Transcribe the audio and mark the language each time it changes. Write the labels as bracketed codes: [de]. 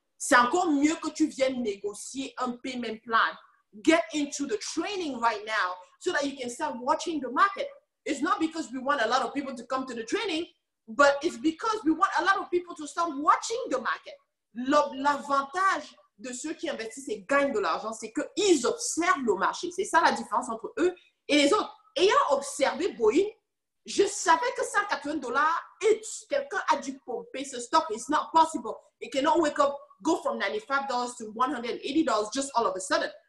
[fr] C'est encore mieux que tu viennes négocier un payment plan. [en] Get into the training right now so that you can start watching the market. It's not because we want a lot of people to come to the training, but it's because we want a lot of people to start watching the market. [fr] L'avantage de ceux qui investissent et gagnent de l'argent, c'est qu'ils observent le marché. C'est ça la différence entre eux et les autres. Ayant observé Boeing, je savais que $180, quelqu'un a dû pomper ce stock. [en] It's not possible. It cannot wake up, go from $95 to $180 just all of a sudden.